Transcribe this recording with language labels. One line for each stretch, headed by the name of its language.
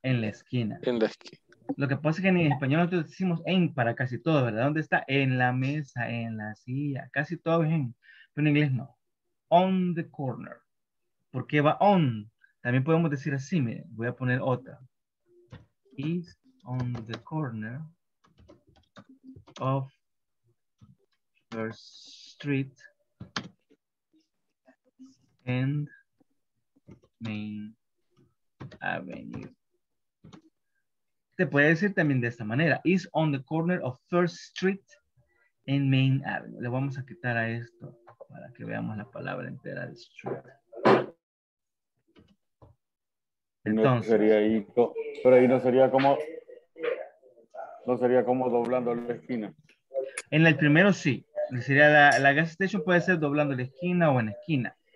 Spanish: En la esquina. Lo que pasa es que en español nosotros decimos en para casi todo, ¿verdad? ¿Dónde está? En la mesa, en la silla, casi todo es en. Pero en inglés no.
English: On the corner.
Spanish: ¿Por qué va on? También podemos decir así, miren, voy a poner otra.
English: Is on the corner of First Street and Main Avenue.
Spanish: Te puede decir también de esta manera.
English: Is on the corner of First Street and Main Avenue.
Spanish: Le vamos a quitar a esto para que veamos la palabra entera de street. Entonces, no sería ahí, pero ahí no sería como doblando la esquina. En el primero sí. Sería la gas station puede ser doblando la esquina o en esquina.